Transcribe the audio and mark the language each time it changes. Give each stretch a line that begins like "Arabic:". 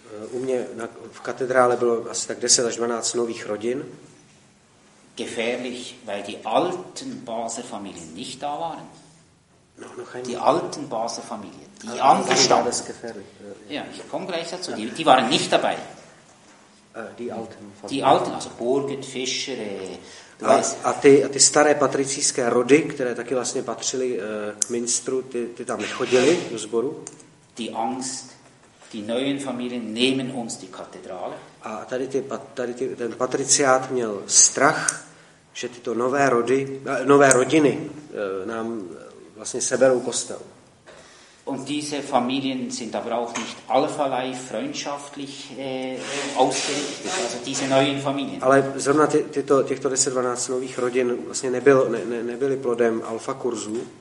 Czech: U mě v katedrále bylo asi tak 10-12 nových rodin.
German: Gefährlich, weil die alten Basler Familien nicht da waren. Noch die alten Basler Familien, die angestammten. Ja, ich komme gleich dazu. Die waren nicht dabei. Die alten Familien. Die alten, also Burget, Fischer.
Czech: A ty staré patricijské rody, které taky vlastně patřily k Münstru, ty tam nechodili do sboru.
German: Die Angst, die neuen Familien nehmen uns die Kathedrale.
Czech: A ten patriciát měl strach, že tyto nové rodiny nám vlastně seberou kostel.
German: Und diese Familien sind aber auch nicht Alpha Life freundschaftlich ausgerichtet, also diese neuen Familien.
Czech: Ale zrovna těchto 10-12 nových rodin vlastně nebyly plodem Alpha kurzu.